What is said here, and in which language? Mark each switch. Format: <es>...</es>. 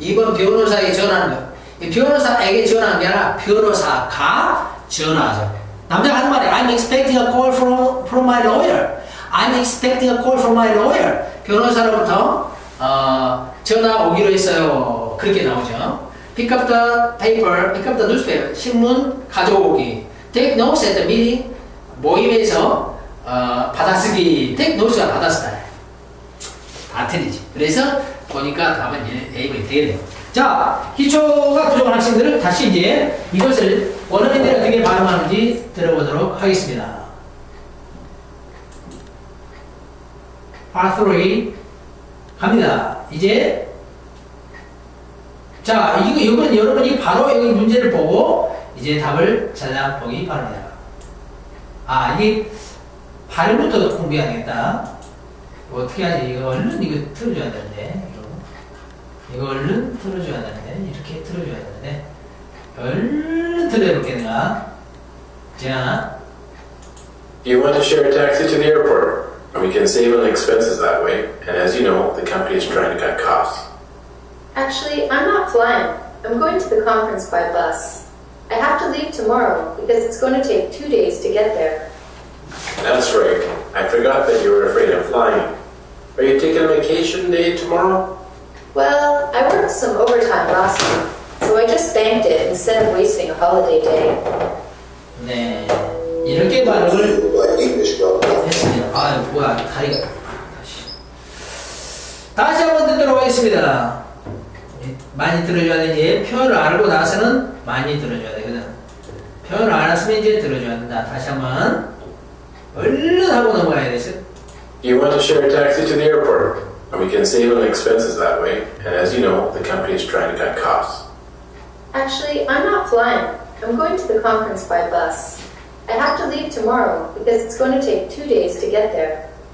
<ko>2번 변호사의 전화는 것. 변호사에게 전화한 게 아니라 변호사가 전화하죠. 남자가 하는 말이</ko> <en>I'm expecting a call from my lawyer. I'm expecting a call from my lawyer.</en> <ko>변호사로부터 전화 오기로 했어요. 그렇게 나오죠.</ko> <en>Pick up the paper, pick up the newspaper.</en> <ko>신문 가져오기.</ko> <en>Take notes at the meeting.</en> <ko>모임에서 받아쓰기.</ko> <en>Take notes</en> <ko>가 받아쓰다. 다 틀리지. 그래서 보니까 답은 A번이 되겠네요. 자, 기초가 부족한 학생들은 다시 이제 이것을 원어민들이 어떻게 발음하는지 들어보도록 하겠습니다. Part 3 갑니다. 이제 자, 이건 여러분이 바로 여기 문제를 보고 이제 답을 찾아보기 바랍니다. 아, 이게 발음부터 공부해야겠다. 어떻게 하지? 이거 얼른 이거 틀어줘야 되는데. 이거 얼른 틀어줘야 되는데. 이렇게 틀어줘야 되는데. 얼른 틀어볼겠나? 자.</ko> <en>You want to share a taxi to the airport? We can save on expenses that way. And as you know, the company is trying to cut costs. Actually, I'm not flying. I'm going to the conference by bus. I have to leave tomorrow because it's going to take 2 days to get there. That's right. I forgot that you were afraid of flying. Are you taking a vacation day tomorrow? Well, I worked some overtime last week, so I just banked it instead of wasting a holiday day.</en> <ko>네, 이렇게 말을 했습니다. 아, 뭐야, 다리가 다시 한번 듣도록 하겠습니다. 많이 들어줘야 되는데 표현을 알고 나서는 많이 들어줘야 되거든. 표현을 알았으면 이제 들어줘야 된다. 다시 한번 얼른 하고 넘어가야 되지.</ko> <en>You want to share a taxi to the airport, and we can save on expenses that way. And as you know, the company is trying to cut costs. Actually, I'm not flying. I'm going to the conference by bus. I have to leave tomorrow because it's going to take 2 days to get there.</en>